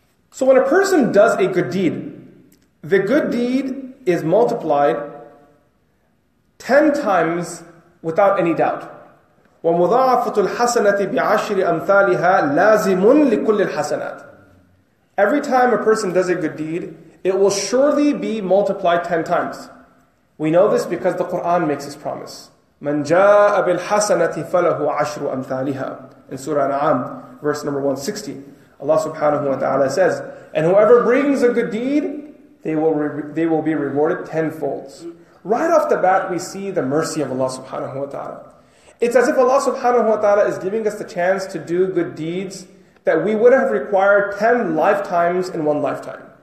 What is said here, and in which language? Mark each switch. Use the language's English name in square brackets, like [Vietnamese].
[English] So when a person does a good deed, the good deed is multiplied 10 times without any doubt. [Arabic] وَمُضَاعَفَةُ الْحَسَنَةِ بِعَشْرِ أَمْثَالِهَا لَازِمٌ لِكُلِّ الْحَسَنَاتِ. [English] Every time a person does a good deed, it will surely be multiplied 10 times. We know this because the Quran makes this promise. [Arabic] مَنْ جَاءَ بِالْحَسَنَةِ فَلَهُ عَشْرُ أَمْثَالِهَا [English] in Surah An'am, verse number 160. Allah subhanahu wa ta'ala says, and whoever brings a good deed, they will be rewarded tenfold. Right off the bat, we see the mercy of Allah subhanahu wa ta'ala. It's as if Allah subhanahu wa ta'ala is giving us the chance to do good deeds that we would have required 10 lifetimes in one lifetime.